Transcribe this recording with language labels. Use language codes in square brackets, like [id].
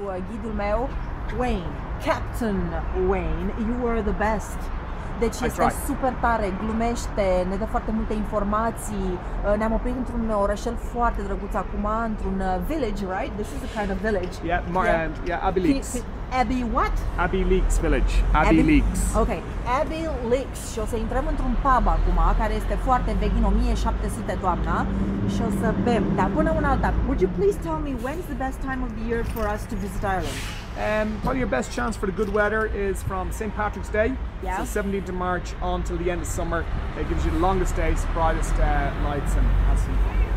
[ro] Ghidul meu, Wayne, Captain Wayne, [en] you are the best. [ro] Deci este super tare, glumește, ne dă foarte multe informații. Ne-am oprit într-un orașel foarte drăguț acum, într-un [en] village, right? This is a kind of village. Yeah, Abbey Leaks. Abbey what? Abbey Leaks Village. Abbey Leaks. Okay, Abbey Leaks. [ro] Și o să intrăm într-un pub acum, care este foarte vechi, în 1700 toamna, și o să bem. Dar până una alta, [en] would you please tell me when's the best time of the year for us to visit Ireland? Probably your best chance for the good weather is from St. Patrick's Day, yeah. So 17th of March on till the end of summer. It gives you the longest days, brightest lights, and has some fun.